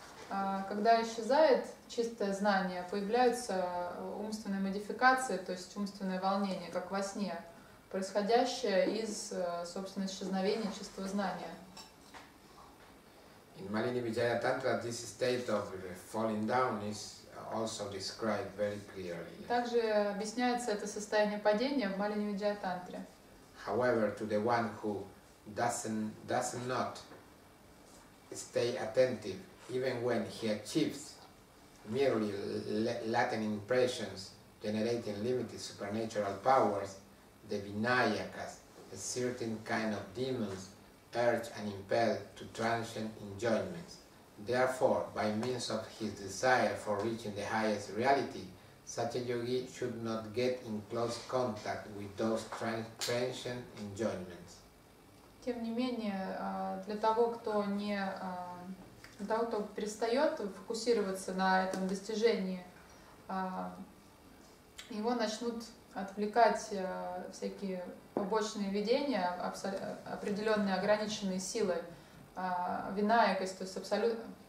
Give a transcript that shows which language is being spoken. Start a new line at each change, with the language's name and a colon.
Russian: Когда исчезает чистое знание, появляются умственные модификации, то есть умственное волнение, как во сне, происходящее из собственно исчезновения чистого знания.
English: In Malini Vijaya Tantra, this state of falling down is also described very clearly.
Russian: Также объясняется это состояние падения в Малини Виджая Тантре.
English: However, to the one who does not stay attentive, even when he achieves merely latent impressions generating limited supernatural powers, the Vinayakas, a certain kind of demons, urge and impel to transient enjoyments. Therefore, by means of his desire for reaching the highest reality, such a yogi should not get in close contact with those transient enjoyments.
Russian: Тем не менее, для того, кто не, для того, кто перестает фокусироваться на этом достижении, его начнут отвлекать всякие побочные видения, определенные ограниченные силы, винаякость, то есть абсолютно...